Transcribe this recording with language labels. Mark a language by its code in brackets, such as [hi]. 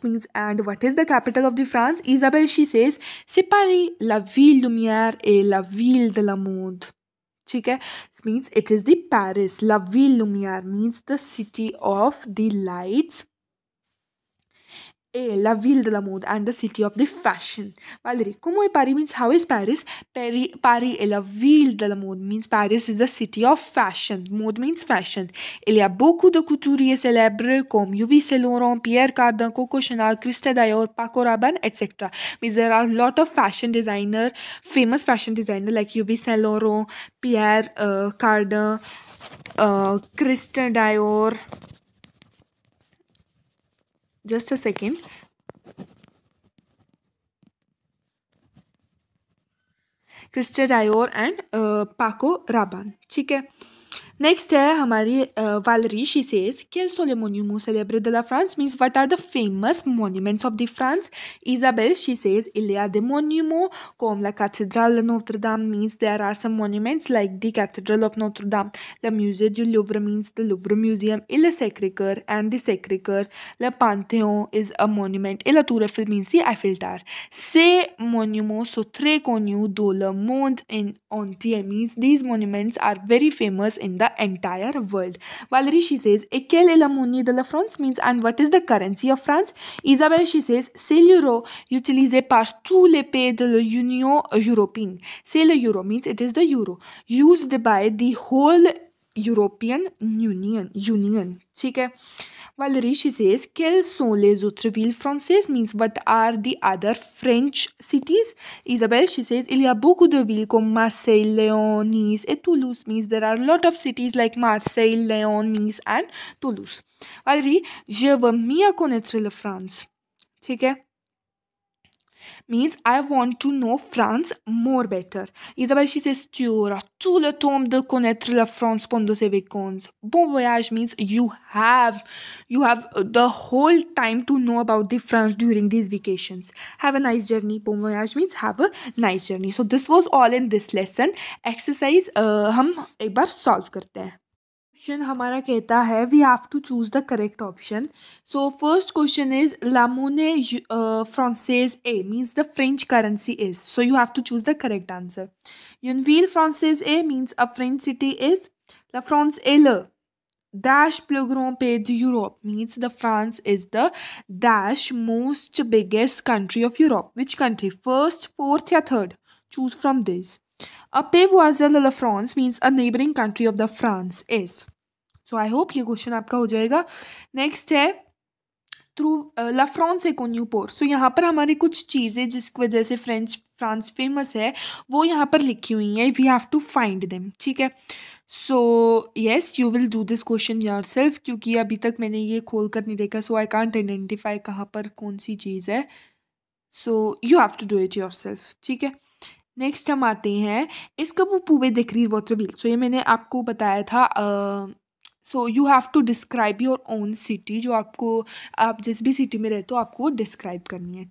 [en] Means, and what is the capital of the France? [fr] Isabelle, [en] she says, [fr] C'est Paris, la ville lumière et la ville de la mode. [hi] ठीक है? [en] Means, it is the Paris, [fr] la ville lumière, [en] means the city of the lights. [fr] La ville de la mode [en] and the city of the fashion. Valérie, [fr] comment est Paris [en] means how is Paris? [fr] Paris est la ville de la mode [en] means Paris is the city of fashion. [fr] Mode means fashion. Il y a beaucoup de couturiers célèbres comme Yves Saint Laurent, Pierre Cardin, Coco Chanel, Christian Dior, Paco Rabanne, etc. [en] Means there are a lot of fashion designer, famous fashion designer like Yves Saint Laurent, Pierre Cardin, Christian Dior. Just a second. Christian Dior and Paco Rabanne. [hi] ठीक है. [en] Next [hi] है हमारी Valerie. [en] She says, [fr] "Quels sont les monuments célèbres de la France?" [en] Means, what are the famous monuments of the France? [fr] Isabelle, [en] she says, [fr] "Il y a des monuments comme la cathédrale de Notre Dame." [en] Means, there are some monuments like the Cathedral of Notre Dame, [fr] le Musée du Louvre. [en] Means, the Louvre Museum. [fr] Et le Sacré Cœur [en] and the Sacré Cœur. Le Panthéon is a monument. [fr] Et la Tour Eiffel [en] means the Eiffel Tower. [fr] Ces monuments sont très connus dans le monde entier. [en] Means, these monuments are very famous in the entire world. Valerie, she says, [fr] et quelle est la monnaie de la France? [en] Means, and what is the currency of France? [fr] Isabelle, [en] she says, [fr] c'est l'euro utilisé par tous les pays de l'Union européenne. C'est l'euro, [en] means it is the euro used by the whole European Union. [hi] ठीक है. [en] Valerie, she says, [fr] quelles sont les autres villes françaises? [en] Means, what are the other French cities? [fr] Isabelle, [en] she says, [fr] il y a beaucoup de villes comme Marseille, Lyon, Nice et Toulouse. [en] Means, there are a lot of cities like Marseille, Lyon, Nice and Toulouse. [fr] Valerie, je veux mieux connaître la France. [hi] ठीक है. [en] Means, I want to know France more better. [fr] Isabelle, [en] she says, [fr] tu auras tout le temps de connaître la France pendant ces vacances. Bon voyage [en] means you have the whole time to know about the France during these vacations. Have a nice journey. [fr] Bon voyage [en] means have a nice journey. So, this was all in this lesson. Exercise, [hi] hum ek bar [en] solve [hi] karte hain. [en] Question [hi] हमारा कहता है [en] we have to choose the correct option. So first question is [fr] la monnaie française est [en] means the French currency is. So you have to choose the correct answer. [fr] Une ville française est [en] means a French city is. [fr] La France est le dash plus grand pays d'Europe [en] means the France is the dash most biggest country of Europe. Which country? First, fourth or third? Choose from this. [fr] A pays voisin de la France [en] means a neighboring country of the France is. So, I hope [hi] ये question आपका हो जाएगा. Next है, [fr] La France est connue pour. [en] So, [hi] यहाँ पर हमारी कुछ चीज़ें जिसकी वजह से France famous है, वो यहाँ पर लिखी हुई है. [en] We have to find them. [hi] ठीक है. [en] So, yes, you will do this question yourself. [hi] क्योंकि अभी तक मैंने ये खोल कर नहीं देखा. [en] So, I can't identify [hi] कहाँ पर कौन सी चीज़ है. [en] So, you have to do it yourself. [hi] ठीक है. [fr] Next [hi] हम आते हैं, [fr] Est-ce que vous pouvez décrire votre ville? [en] So, [hi] ये मैंने आपको बताया था. [en] So, you have to describe your own city. [hi] जो आपको, आप जिस भी city में रहते हो, आपको describe करनी है.